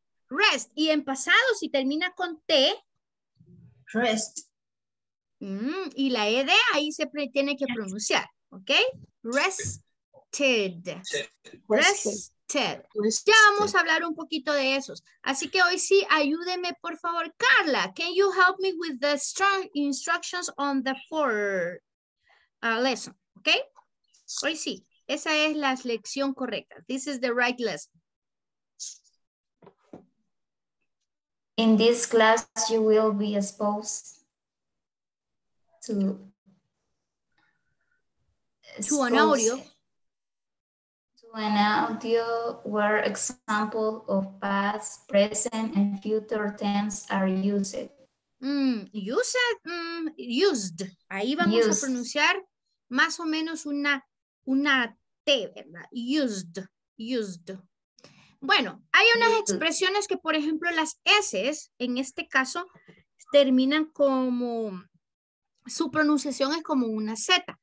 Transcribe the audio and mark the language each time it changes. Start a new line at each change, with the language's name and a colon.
Spanish: Rest. Y en pasado, si termina con T.
English: Rest.
Spanish: Y la ED ahí se tiene que pronunciar.
English: ¿Ok? Rested. Rested. Rested.
Spanish: Ya vamos a hablar un poquito de esos. Así que hoy sí, ayúdeme, por favor, Carla.
English: Can you help me with the strong instructions on the four lesson?
Spanish: ¿Ok? Hoy sí. Esa es la lección correcta.
English: This is the right lesson. In this class, you will be exposed to an audio. To an audio where examples of past, present, and future tense are used. Used.
Spanish: Ahí vamos used. A pronunciar más o menos una T, ¿verdad? Used. Used. Bueno, hay unas expresiones que, por ejemplo, las S, en este caso, terminan como, su pronunciación es como una Z.